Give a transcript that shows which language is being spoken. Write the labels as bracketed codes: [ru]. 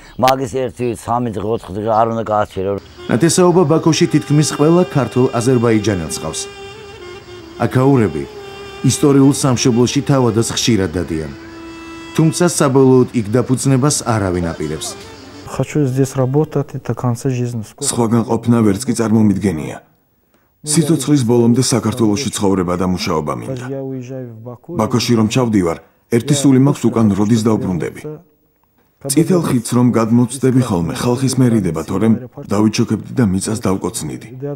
[ka] მაგის ერთი 3 დღე, 4 დღე არ უნდა გააჩერო. ნათესაობა ბაქოში თითქმის ყველა ქართულ აზერბაიჯანელს ყავს. აქაურები ისტორიულ სამშობლოში თავადაც ხშირად დადიან. თუმცა საბოლოოდ იქ დაფუძნებას არავინ აპირებს. [ru] Хочу здесь работать до конца жизни. [ka] Схоган ყოფნა ვერც კი წარმომიდგენია. სიცოცხლის ბოლომდე საქართველოში ცხოვრება და მუშაობა მინდა. ბაქოში რომ ჩავდივარ, ერთი სული მაქვს უკან როდის დაუბრუნდები. წითელ ხიდს რომ გადმოწდები ხოლმე, ხალხის მერიდება, თორემ დავიჩოქებდი და მიწას დავკოცნიდი.